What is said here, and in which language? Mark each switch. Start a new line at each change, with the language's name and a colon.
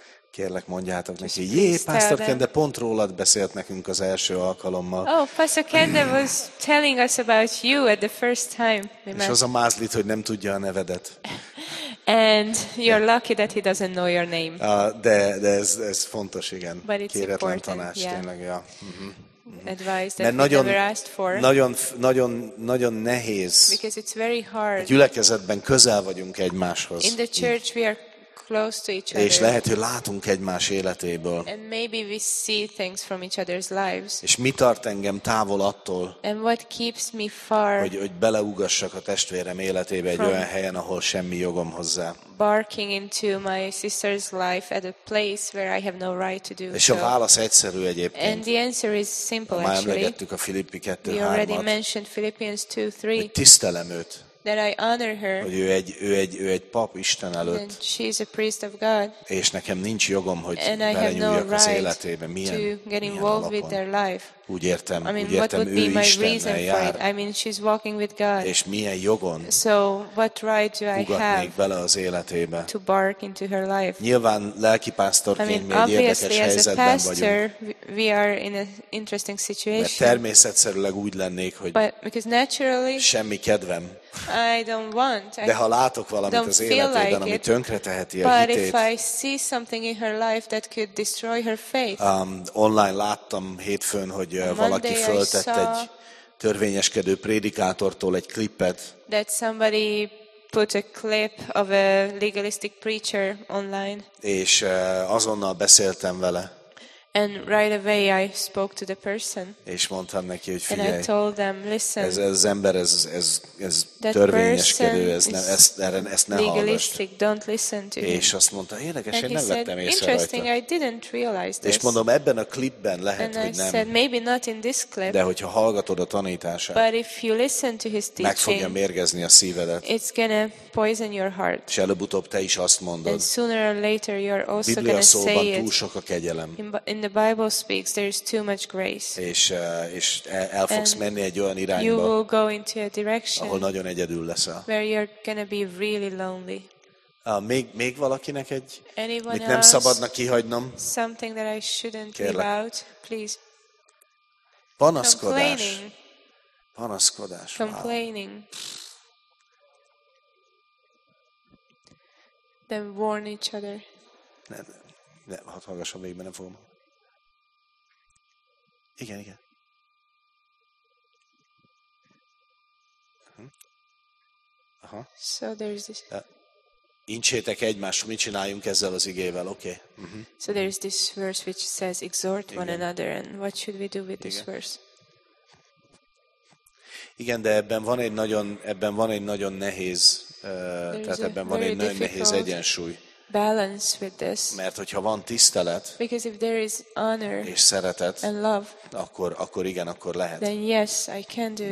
Hungarian: Kérlek, mondjátok neki, jé, Pastor Kende pont rólad beszélt nekünk az első alkalommal.
English: Oh, Pastor Kende was telling us about you at the first time.
Hungarian: És az a mázlit, hogy nem tudja a nevedet.
English: And you're lucky that he doesn't know your name.
Hungarian: De ez fontos, igen.
English: But it's
Hungarian: kéretlen
English: important,
Hungarian: tanács, Tényleg, ja.
English: Advice that
Hungarian: nagyon,
English: we never asked for.
Hungarian: Nagyon nehéz.
English: Because it's very hard.
Hungarian: A gyülekezetben közel vagyunk egymáshoz.
English: In the church we are close to each other.
Hungarian: És lehet, hogy látunk egymás életéből.
English: And maybe we see things from each other's lives.
Hungarian: És mi tart engem távol attól,
English: and what keeps me far,
Hungarian: hogy beleugassak a testvérem életébe egy olyan helyen, ahol semmi jogom hozzá.
English: Barking into my sister's life at a place where I have no right to do so.
Hungarian: És a válasz egyszerű egyébként.
English: And the answer is simple, actually.
Hungarian: Már emlegettük a Filippi 2:3-at.
English: We already mentioned Philippians 2:3.
Hungarian: Hogy tisztelem őt.
English: That I honor her.
Hungarian: Hogy ő egy pap Isten előtt.
English: And she is a priest of God.
Hungarian: És nekem nincs jogom, hogy belenyúljak az életébe. Milyen,
English: to get involved
Hungarian: alapon?
English: With their life.
Hungarian: Úgy értem, ő Istennel jár.
English: I mean, she's walking with God.
Hungarian: És milyen jogon?
English: So what right do I have
Hungarian: bele az életébe?
English: To bark into her life.
Hungarian: Nyilván lelki pásztorként mi egy érdekes helyzetben
English: as a pastor,
Hungarian: vagyunk.
English: We are in an interesting situation.
Hungarian: Mert természetszerűleg úgy lennék, hogy semmi kedvem.
English: I don't want.
Hungarian: De ha látok valamit az életében, ami tönkreteheti a hitét.
English: But if I see something in her life that could destroy her faith.
Hungarian: Online láttam hétfőn, hogy valaki föltett egy törvényeskedő prédikátortól egy klipet.
English: That somebody put a clip of a legalistic preacher online.
Hungarian: És azonnal beszéltem vele.
English: And right away I spoke to the person.
Hungarian: És mondtam neki, hogy figyelj.
English: And I told them, listen.
Hungarian: Ez ember, ez törvényeskedő, ezt ne
English: legalistic, don't listen to.
Hungarian: És azt mondta, érdekes, én nem vettem észre rajta.
English: Interesting, I didn't realize this.
Hungarian: És mondom, ebben a klipben lehet,
English: and
Hungarian: hogy nem.
English: Said, maybe not in this clip.
Hungarian: De hogyha hallgatod a tanítását.
English: But if you listen to his teaching.
Hungarian: Meg fogja mérgezni a szívedet.
English: It's gonna poison your heart.
Hungarian: És előbb-utóbb te is azt mondod.
English: And sooner or later you're also
Hungarian: Biblia
English: gonna
Hungarian: szóban
English: say
Hungarian: túl sok a kegyelem.
English: In the Bible speaks there is too much grace.
Hungarian: És el fogsz menni egy olyan irányba.
English: You will go into a direction.
Hungarian: Ahol nagyon egyedül leszel.
English: Where you're gonna be really lonely.
Hungarian: Még valakinek egy, amit nem szabadna kihagynom.
English: Something that I shouldn't leave out, please.
Hungarian: Panaszkodás. Panaszkodás.
English: Complaining. Then warn each other.
Hungarian: Nem, hadd hallgassam végig, mert nem fogom. Igen. Aha.
English: So there's this.
Hungarian: Incsétek egymást, mit csináljunk ezzel az igével, oké?
English: Okay. Uh-huh. So there is this verse which says exhort one another, and what should we do with this verse?
Hungarian: Igen, de ebben van egy nagyon nehéz, tehát ebben van egy nagyon nehéz egyensúly.
English: Balance with this.
Hungarian: Mert hogyha van tisztelet,
English: because if there is honor
Hungarian: és szeretet,
English: and love,
Hungarian: akkor igen, akkor lehet.
English: Then yes, I can do it.